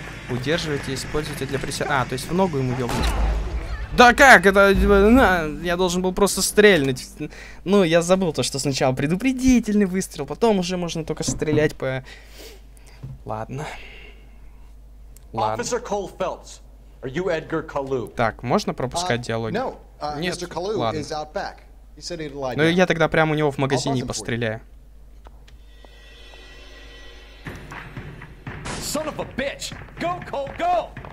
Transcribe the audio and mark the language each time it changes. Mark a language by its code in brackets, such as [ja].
[ru] Удерживайте и используйте для присяга... А, то есть в ногу ему ебнуть. Да как? Это... Я должен был просто стрельнуть. Ну, я забыл то, что сначала предупредительный выстрел, потом уже можно только стрелять по... Ладно. [en] Officer Cole Phelps, are you Edgar Kalu? [ru] Так, можно пропускать диалоги? [en] No. [ru] Нет, [en] Mr. Kalu [ru] ладно. [en] Is out back. He said he'd lie down. [ru] Ну, я тогда прямо у него в магазине постреляю. [en] Son of a bitch! Go, Cole, go!